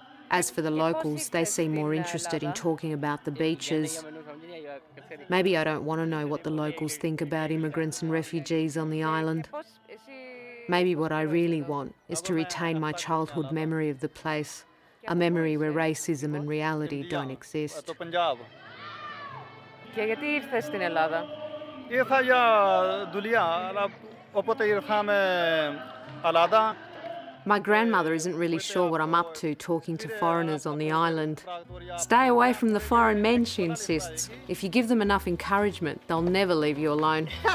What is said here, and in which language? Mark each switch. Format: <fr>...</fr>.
<en>As for the locals, they seem more interested in talking about the beaches. Maybe I don't want to know what the locals think about immigrants and refugees on the island. Maybe what I really want is to retain my childhood memory of the place. A memory where racism and reality don't exist.</en> <el>Και γιατί ήρθες στην Ελλάδα; Ήρθα για δουλειά, αλλά όποτε ήρθαμε Ελλάδα.</el> <en>My grandmother isn't really sure what I'm up to talking to foreigners on the island. Stay away from the foreign men, she insists. If you give them enough encouragement, they'll never leave you alone.</en>